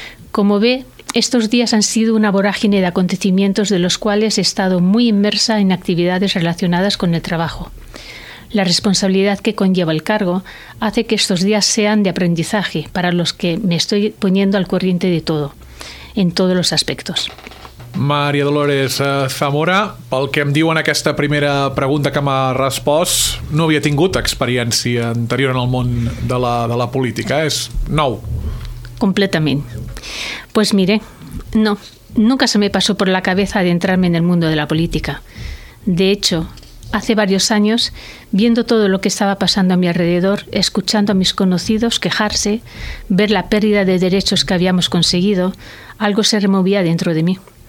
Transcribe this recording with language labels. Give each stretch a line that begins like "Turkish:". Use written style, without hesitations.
Spanish: Como ve, estos días han sido una vorágine de acontecimientos de los cuales he estado muy inmersa en actividades relacionadas con el trabajo. La responsabilidad que conlleva el cargo hace que estos días sean de aprendizaje para los que me estoy poniendo al corriente de todo, en todos los aspectos.
Catalan: Maria Dolores Zamora, pel que em diuen aquesta primera pregunta que m'ha respost, no havia tingut experiència anterior en el món de la política. És nou. Completament.
Spanish: Pues mire, no, nunca se me pasó por la cabeza de entrarme en el mundo de la política. De hecho, hace varios años, viendo todo lo que estaba pasando a mi alrededor, escuchando a mis conocidos quejarse, ver la pérdida de derechos que habíamos conseguido, algo se removía dentro de mí.